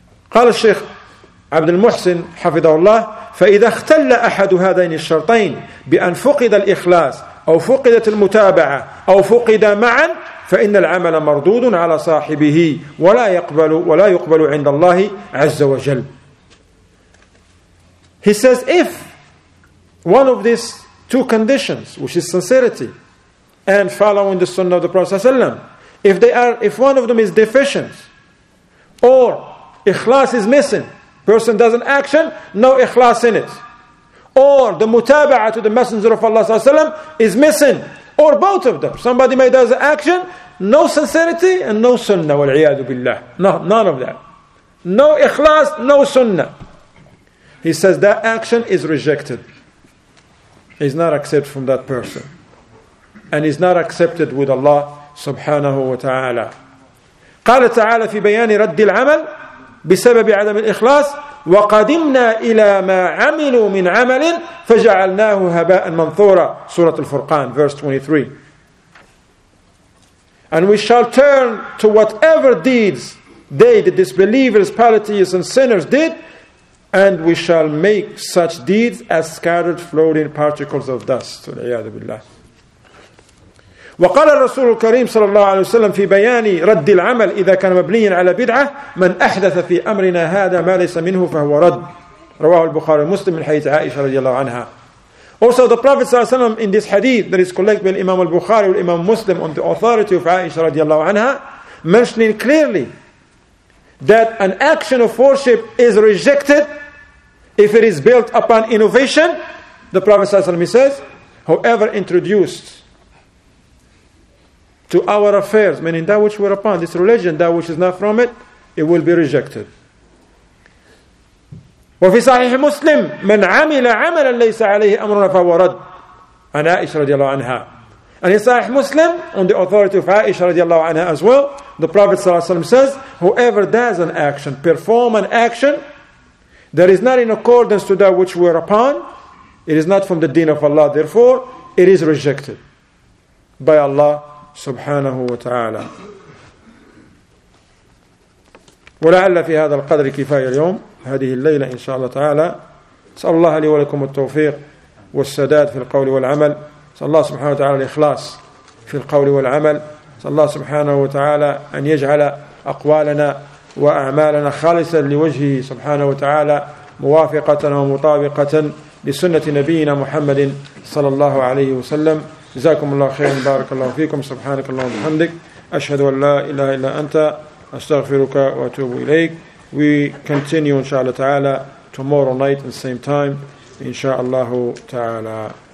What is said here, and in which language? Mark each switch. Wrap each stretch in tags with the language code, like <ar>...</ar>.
<ar>قال الشيخ عبد المحسن حفظه الله فإذا اختل أحد هذين الشرطين بأن فقد الإخلاص أو فقدت المتابعة أو فقد معا فإن العمل مردود على صاحبه ولا يقبل عند الله عز وجل.</ar> <en>He says, if one of these two conditions, which is sincerity and following the Sunnah of the Prophet ﷺ, if one of them is deficient, or ikhlas is missing, person doesn't action, no ikhlas in it, or the mutaba'ah to the Messenger of Allah ﷺ is missing, or both of them, somebody may does action, no sincerity and no sunnah,</en> <ar>wal'iyadu billah,</ar> <en>none of that, no ikhlas, no sunnah. He says that action is rejected. It's not accepted from that person. and is not accepted with Allah subhanahu wa ta'ala.</en> <ar>قال تعالى في بيان رد العمل بسبب عدم الإخلاص وقدمنا إلى ما عملوا من عمل فجعلناه هباء منثورا سورة الفرقان</ar> <en>verse 23. And we shall turn to whatever deeds they, the disbelievers, polytheists and sinners did, and we shall make such deeds as scattered floating particles of dust.</en> <ar>والعياذ بالله. وقال الرسول الكريم صلى الله عليه وسلم في بيان رد العمل إذا كان مبنيا على بدعة من أحدث في أمرنا هذا ما ليس منه فهو رد. رواه البخاري ومسلم من حديث عائشة رضي الله عنها.</ar> <en>Also the Prophet</en> <ar>صلى الله عليه وسلم</ar> <en>in this hadith that is collected by</en> <ar>الإمام البخاري والإمام مسلم</ar> <en>on the authority of</en> <ar>عائشة رضي الله عنها</ar> <en>mentioning clearly that an action of worship is rejected if it is built upon innovation. The Prophet</en> <ar>صلى الله عليه وسلم</ar> <en>says, whoever introduced to our affairs, meaning that which we're upon, this religion, that which is not from it, it will be rejected.</en> <ar>وفي صحيح مسلم من عمل عملا ليس عليه أمرنا فهو رد. عن عائشة رضي الله عنها.</ar> <en>And in صحيح مسلم, on the authority of</en> <ar>عائشة رضي الله عنها</ar> <en>as well, the Prophet</en> <ar>صلى الله عليه وسلم</ar> <en>says, whoever does an action, perform an action, that is not in accordance to that which we're upon, it is not from the deen of Allah, therefore, it is rejected by Allah</en> <ar>سبحانه وتعالى. ولعل في هذا القدر كفاية اليوم هذه الليلة إن شاء الله تعالى. أسأل الله لي ولكم التوفيق والسداد في القول والعمل. أسأل الله سبحانه وتعالى الإخلاص في القول والعمل. أسأل الله سبحانه وتعالى أن يجعل أقوالنا وأعمالنا خالصة لوجهه سبحانه وتعالى موافقة ومطابقة لسنة نبينا محمد صلى الله عليه وسلم. جزاكم الله خيرا بارك الله فيكم سبحانك اللهم وبحمدك اشهد ان لا اله الا انت استغفرك واتوب اليك.</ar> <en>We continue</en> <ar>ان شاء الله تعالى</ar> <en>tomorrow night at the same time ان شاء الله تعالى.</en>